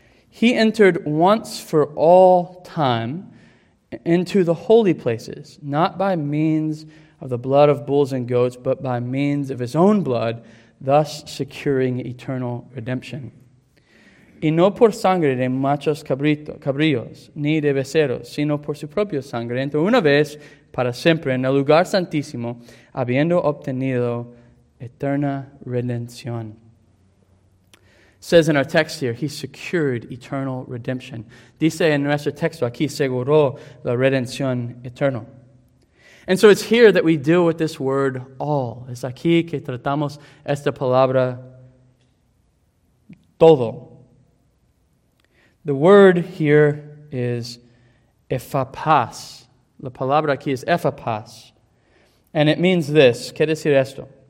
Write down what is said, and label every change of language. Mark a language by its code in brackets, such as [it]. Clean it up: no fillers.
[en] He entered once for all time into the holy places, not by means of the blood of bulls and goats, but by means of his own blood, thus securing eternal redemption. [es] Y no por sangre de machos cabríos, ni de becerros, sino por su propia sangre, entró una vez para siempre en el lugar santísimo, habiendo obtenido eterna redención. [en] Says in our text here, he secured eternal redemption. [es] Dice en nuestro texto aquí, seguro la redención eterna. [en] And so it's here that we deal with this word all. [es] Es aquí que tratamos esta palabra todo. [en] The word here is ephapas. [es] La palabra aquí es ephapas. [en] And it means this. [es] ¿Qué decir esto?